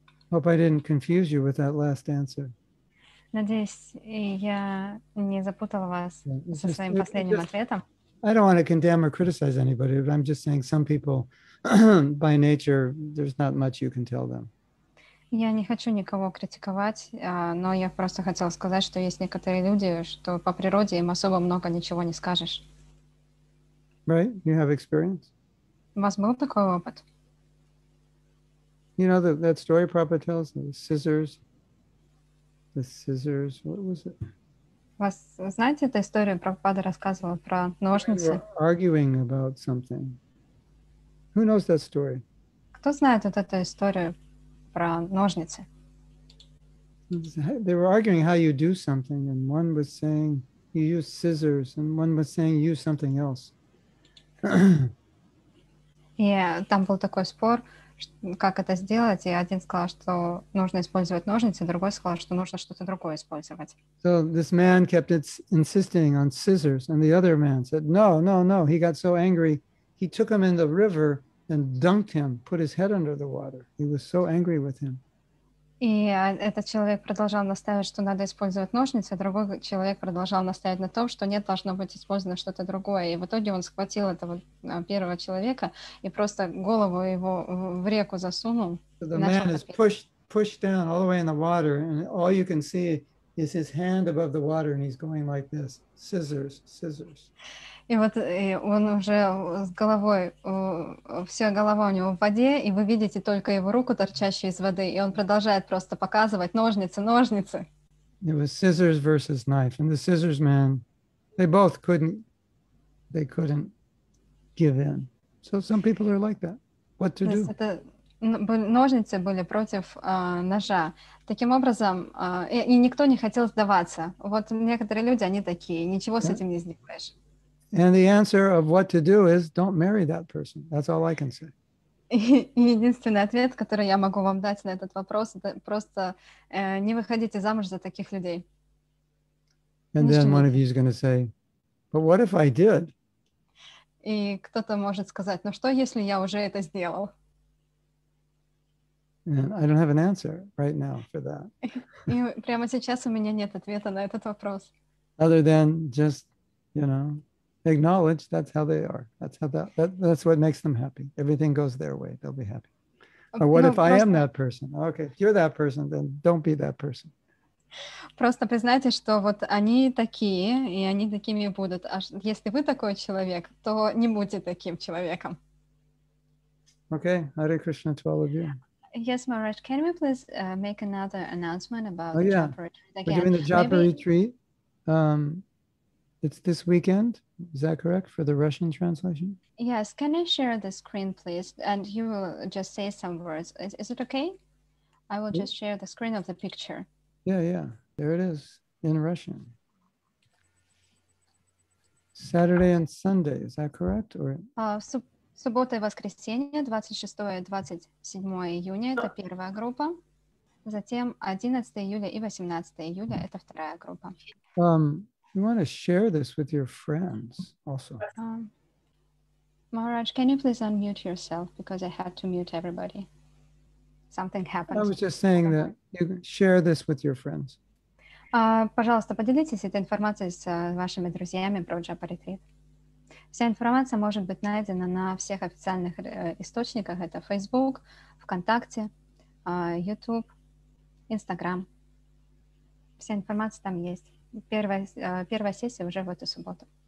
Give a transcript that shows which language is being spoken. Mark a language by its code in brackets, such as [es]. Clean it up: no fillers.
[en] Hope I didn't confuse you with that last answer. [ru] Надеюсь, я не запутала вас со своим последним ответом. [en] I don't want to condemn or criticize anybody, but I'm just saying some people, by nature, there's not much you can tell them. [ru] Я не хочу никого критиковать, но я просто хотела сказать, что есть некоторые люди, что по природе им особо много ничего не скажешь. [en] Right? You have experience? [ru] У вас был такой опыт? [en] You know that story Prabhupada tells, the scissors, the scissors. What was it? [ru] Вас знаете эту историю, Прабхупада рассказывал про ножницы? [en] We're arguing about something. Who knows that story? [ru] Кто знает вот эту историю про ножницы? [en] They were arguing how you do something, and one was saying you use scissors, and one was saying use something else. [ru] И там был такой спор, как это сделать, и один сказал, что нужно использовать ножницы, другой сказал, что нужно что-то другое использовать. [en] So this man kept insisting on scissors, and the other man said, no, no, no. He got so angry, he took him in the river and dunked him, put his head under the water. He was so angry with him. [ru] И этот человек продолжал настаивать, что надо использовать ножницы, а другой человек продолжал настаивать на том, что нет, должно быть использовано что-то другое. И в итоге он схватил этого первого человека и просто голову его в реку засунул. [en] So the man is pushed down all the way in the water, and all you can see is his hand above the water, and he's going like this, scissors, scissors. [ru] И вот и он уже с головой, вся голова у него в воде, и вы видите только его руку, торчащую из воды, и он продолжает просто показывать ножницы, ножницы. [en] It was scissors versus knife, and the scissors man, they both couldn't give in. So some people are like that. What to do? [ru] Это ножницы были против ножа. Таким образом, и никто не хотел сдаваться. Вот некоторые люди, они такие, ничего с этим не сделаешь. [en] And the answer of what to do is don't marry that person. That's all I can say. [ru] Единственный ответ, который я могу вам дать на этот вопрос, это просто не выходите замуж за таких людей. [en] And then one of you is going to say, but what if I did? [ru] И кто-то может сказать, ну что, если я уже это сделал? [en] And I don't have an answer right now for that. [ru] И прямо сейчас у меня нет ответа на этот вопрос. [en] Other than just, you know, acknowledge that's how they are. That's how that's what makes them happy. Everything goes their way. They'll be happy. But what if I am that person? Okay, if you're that person, then don't be that person. [ru] Просто признайте, что вот они такие, и они такими будут. А если вы такой человек, то не будьте таким человеком. [en] Okay, Hare Krishna to all of you. Yes, Maharaj, can we please make another announcement about the japa retreat again? We're doing the japa retreat. It's this weekend, is that correct, for the Russian translation? Yes, can I share the screen, please? And you will just say some words. Is it okay? I will just share the screen of the picture. Yeah, yeah, there it is, in Russian. Saturday and Sunday, is that correct? Or? [ru] Суббота и воскресенье, 26 и 27 июня, это первая группа. Затем 11 июля и 18 июля, это вторая группа. [en] You want to share this with your friends also. Maharaj, can you please unmute yourself? Because I had to mute everybody. Something happened. I was just saying that you share this with your friends. [ru] Пожалуйста, поделитесь этой информацией с вашими друзьями про джапа-ретрит. Вся информация может быть найдена на всех официальных источниках. Это Facebook, ВКонтакте, YouTube, Instagram. Вся информация там есть. Первая сессия уже в эту субботу.